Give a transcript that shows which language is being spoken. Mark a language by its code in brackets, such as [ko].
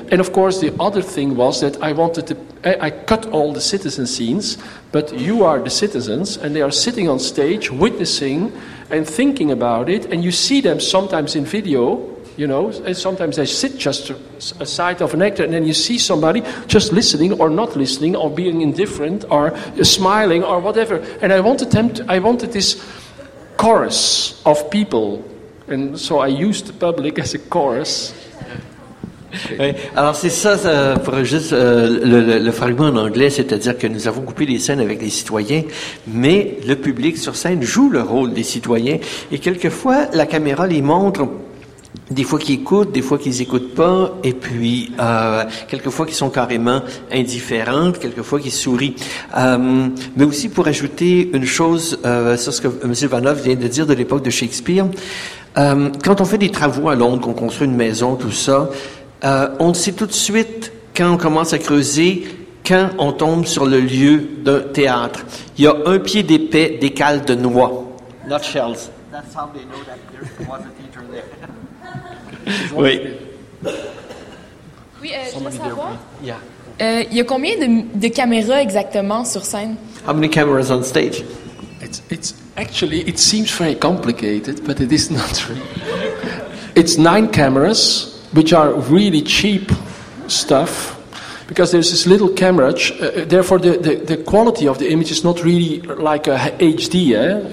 [en] And of course the other thing was that I wanted to, I cut all the citizen scenes, but you are the citizens and they are sitting on stage witnessing and thinking about it, and you see them sometimes in video, you know, and sometimes they sit just a side of an actor, and then you see somebody just listening or not listening or being indifferent or smiling or whatever. And I wanted this chorus of people, and so I used the public as a chorus. [fr] Oui. Alors c'est ça, ça pour juste le fragment en anglais, c'est-à-dire que nous avons coupé les scènes avec les citoyens, mais le public sur scène joue le rôle des citoyens, et quelquefois la caméra les montre. Des fois qu'ils écoutent, des fois qu'ils écoutent pas, et puis quelquefois qu'ils sont carrément indifférents, quelquefois qu'ils sourient. Mais aussi pour ajouter une chose sur ce que M. Ivanov vient de dire de l'époque de Shakespeare, quand on fait des travaux à Londres, qu'on construit une maison, tout ça, on sait tout de suite quand on commence à creuser, quand on tombe sur le lieu d'un théâtre. Il y a un pied d'épais d'écale de noix. [en] Not shells. That's how they know that there was a teacher there. [fr] Oui. Oui, je veux savoir. [en] Yeah. [fr] Il y a combien de caméras exactement sur scène? [en] How many cameras on stage? It's actually it seems very complicated, but it is not true. It's 9 cameras, which are really cheap stuff, because there's this little camera. Therefore, the quality of the image is not really like a HD. Eh?